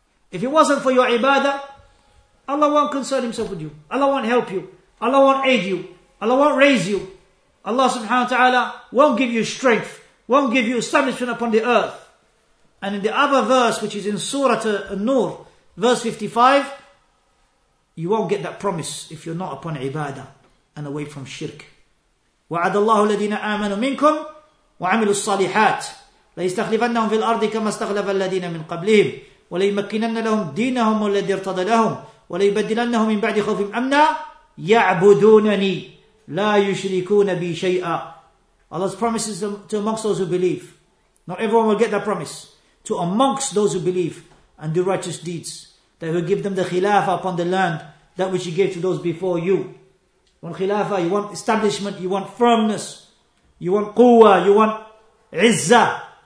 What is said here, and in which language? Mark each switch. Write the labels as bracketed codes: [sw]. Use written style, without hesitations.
[en] If it wasn't for your ibadah, Allah won't concern himself with you. Allah won't help you. Allah won't aid you. Allah won't raise you. Allah subhanahu wa ta'ala won't give you strength, won't give you establishment upon the earth. And in the other verse, which is in Surah An-Nur, verse 55, you won't get that promise if you're not upon ibadah and away from shirk. [ar] وعد الله الذين آمنوا منكم وعملوا الصالحات ليستخلفنهم في الأرض كما استخلف الذين من قبلهم وليمكنن لهم دينهم الذي ارتضى لهم وليبدلنهم من بعد خوفهم أمنا يعبدونني لا يشركون بي شيئا. [en] Allah's promises to amongst those who believe. Not everyone will get that promise. To amongst those who believe and do righteous deeds, that will give them the khilafah upon the land, that which He gave to those before you. You want khilafah, you want establishment, you want firmness, you want quwwah, you want izzah.